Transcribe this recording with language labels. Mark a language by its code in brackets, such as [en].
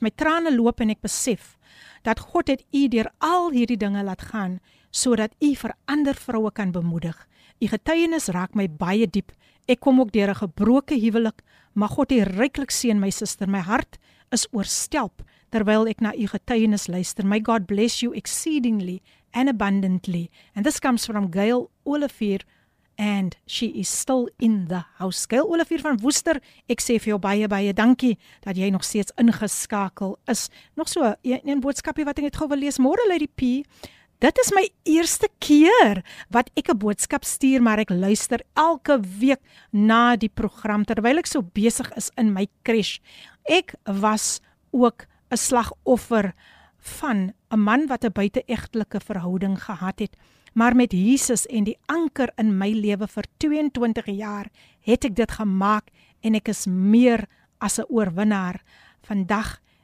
[af] My trane loop en ek besef dat God het u deur al hierdie dinge laat gaan sodat u vir ander vroue kan bemoedig. U getuienis raak my baie diep. Ek kom ook deur 'n gebroke huwelik, maar God het ryklik seën my suster. My hart is oorstelp terwyl ek na u getuienis luister. [en] May God bless you exceedingly and abundantly. And this comes from Gail Olivier, and she is still in the house. [af] Gail Olivier van Woester, ek sê vir jou baie dankie dat jy nog steeds ingeskakel is. Nog so een boodskapie wat ek net gou wil lees. Môre lê die P. Dit is my eerste keer wat ek 'n boodskap stuur, maar ek luister elke week na die program terwyl ek so besig is in my crash. Ek was ook 'n slagoffer van 'n man wat 'n buiteegtelike verhouding gehad het, maar met Jesus en die anker in my lewe vir 22 jaar het ek dit gemaak en ek is meer as 'n oorwinnaar vandag.